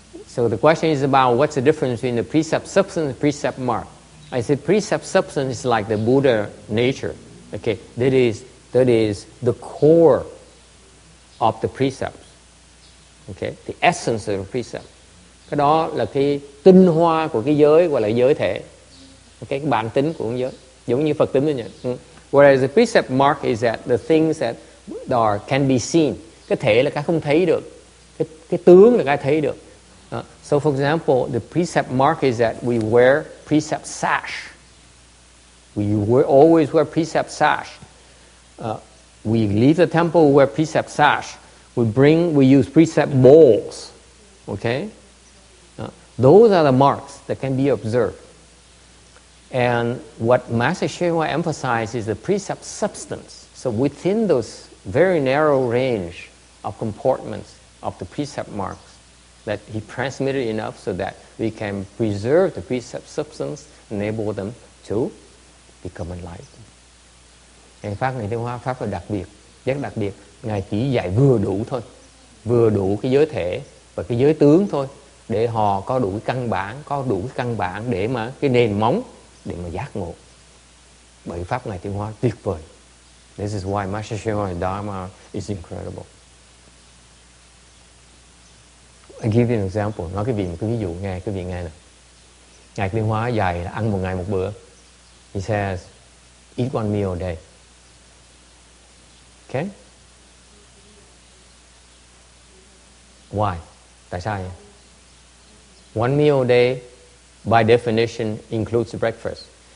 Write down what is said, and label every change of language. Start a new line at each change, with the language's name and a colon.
English: So the question is about what's the difference between the precept substance and the precept mark. I said precept substance is like the Buddha nature. Okay, that is the core of the precepts. Okay, the essence of the precept.
Vietnamese: Cái đó là cái tinh hoa của cái giới gọi là giới thể. Okay, cái bản tính của giới. Giống như Phật tính đó nhỉ.
English: Whereas the precept mark is that the things that are can be seen.
Vietnamese: Cái thể là cái không thấy được. Cái tướng là cái thấy được.
English: So for example, the precept mark is that we wear precept sash. Always wear precept sash. We leave the temple, we wear precept sash. We use precept bowls. Okay? Those are the marks that can be observed. And what Master Shenhua emphasizes is the precept substance. So within those very narrow range of comportments of the precept marks, that he transmitted enough so that we can preserve the precept substance, enable them to become enlightened.
Vietnamese: Ngài Pháp Ngài Tiên Hóa Pháp là đặc biệt, rất đặc biệt. Ngài chỉ dạy vừa đủ thôi, vừa đủ cái giới thể và cái giới tướng thôi. để họ có đủ cái căn bản, có đủ cái căn bản để mà cái nền móng để mà giác ngộ. Bởi pháp ngài tiến hóa tuyệt vời.
English: This is why Master Shinoi Dharma is incredible. I give you an example.
Vietnamese: Nói cái vị một cái ví dụ nghe, cái vị nghe nè. Ngài tiến hóa dài là ăn một ngày một bữa.
English: He says, eat one meal a day. Okay? Why?
Vietnamese: Tại sao vậy?
English: One meal a day, by definition, includes breakfast.